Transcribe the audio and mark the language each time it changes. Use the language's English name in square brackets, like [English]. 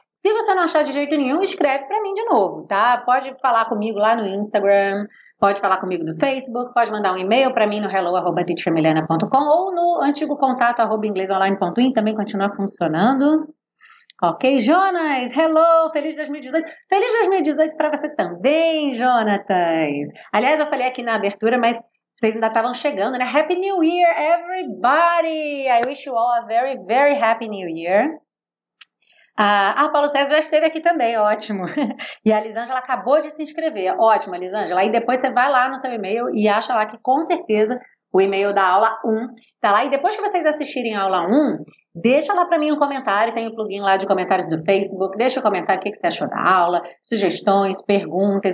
[Portuguese] Se você não achar de jeito nenhum, escreve pra mim de novo, tá? Pode falar comigo lá no Instagram, pode falar comigo no Facebook, pode mandar um e-mail pra mim no hello@teachermiliana.com ou no antigo contato @inglesonline.in, também continua funcionando. Ok, Jonas, hello, feliz 2018. Feliz 2018 pra você também, Jonatas. Aliás, eu falei aqui na abertura, mas... Vocês ainda estavam chegando, né? [English] Happy New Year, everybody! I wish you all a very, very happy New Year. [Portuguese] Paulo César já esteve aqui também, ótimo. E a Lisângela acabou de se inscrever. Ótimo, Lisângela. E depois você vai lá no seu e-mail e acha lá que, com certeza, o e-mail da aula 1 tá lá. E depois que vocês assistirem a aula 1, deixa lá pra mim um comentário. Tem o plugin lá de comentários do Facebook. Deixa um comentário o que você achou da aula, sugestões, perguntas.